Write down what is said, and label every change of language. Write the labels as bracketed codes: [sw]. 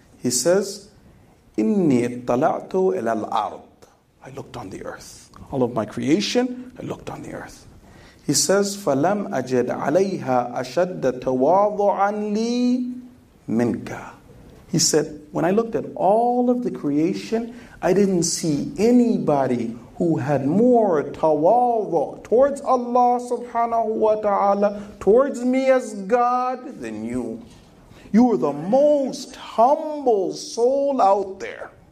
[en] He says, [ar] إِنِّي اطَّلَعْتُ إِلَى الْأَرْضِ. [en] I looked on the earth. All of my creation, I looked on the earth. He says, [ar] فَلَمْ أَجَدْ عَلَيْهَا أَشَدَّ تَوَاضُعًا لِي مِنْكَ. [en] He said, when I looked at all of the creation, I didn't see anybody who had more tawadhu towards Allah subhanahu wa ta'ala, towards me as God, than you. You are the most humble soul out there.